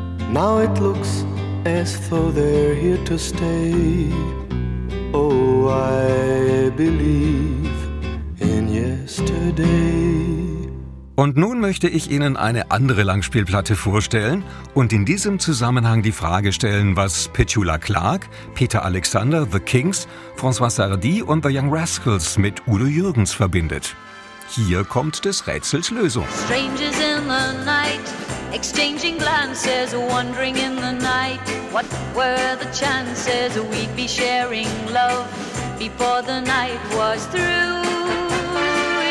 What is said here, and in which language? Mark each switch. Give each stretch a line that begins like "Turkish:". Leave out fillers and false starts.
English: Now it looks as though they're here to stay. Oh, I believe in yesterday.
German: Und nun möchte ich Ihnen eine andere Langspielplatte vorstellen und in diesem Zusammenhang die Frage stellen, was Petula Clark, Peter Alexander, The Kinks, François Sardi und The Young Rascals mit Udo Jürgens verbindet. Hier kommt des Rätsels Lösung.
English: Strangers in the night, exchanging glances, wandering in the night. What were the chances we'd be sharing love before the night was through?